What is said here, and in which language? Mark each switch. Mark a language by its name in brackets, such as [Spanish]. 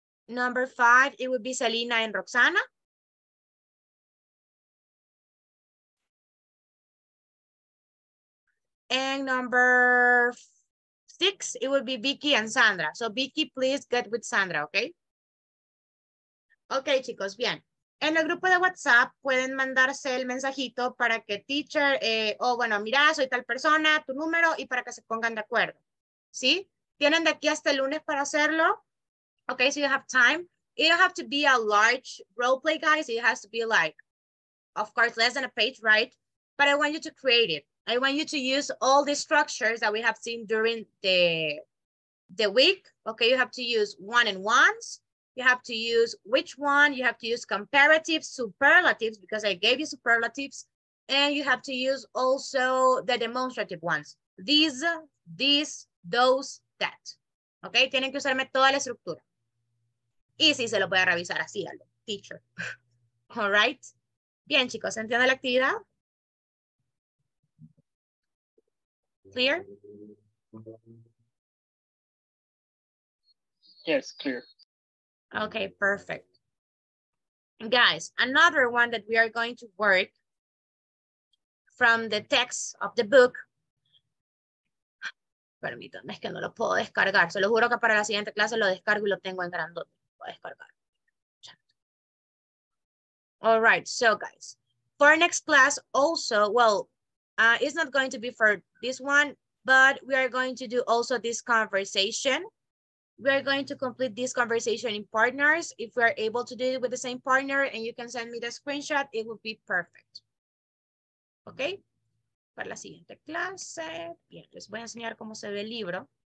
[English] Number five, it would be Selena and Roxana. And number six, it would be Vicky and Sandra. So Vicky, please get with Sandra, okay? [Spanish] Okay, chicos, bien. En el grupo de WhatsApp pueden mandarse el mensajito para que teacher, mira, soy tal persona, tu número, y para que se pongan de acuerdo, ¿sí? Tienen de aquí hasta el lunes para hacerlo. [English] Okay, so you have time. It don't have to be a large role play, guys. It has to be like, of course, less than a page, right? But I want you to create it. I want you to use all the structures that we have seen during the week. Okay, you have to use one and ones. You have to use which one. You have to use comparatives, superlatives, because I gave you superlatives. And you have to use also the demonstrative ones. These, those, that. Okay, [Spanish] tienen que usarme toda la estructura. Y sí, se lo voy a revisar así a lo teacher. All right. Bien, chicos, ¿entienden la actividad? [English] Clear? Yes, clear. Okay, perfect. Guys, another one that we are going to work from the text of the book. [Spanish] Permítanme, es que no lo puedo descargar. Se lo juro que para la siguiente clase lo descargo y lo tengo en grandote. [English] All right, so guys, for next class also, well, it's not going to be for this one, but we are going to do also this conversation. We are going to complete this conversation in partners. If we are able to do it with the same partner and you can send me the screenshot, it would be perfect. [Spanish] Okay, para la siguiente clase, bien, les voy a enseñar cómo se ve el libro.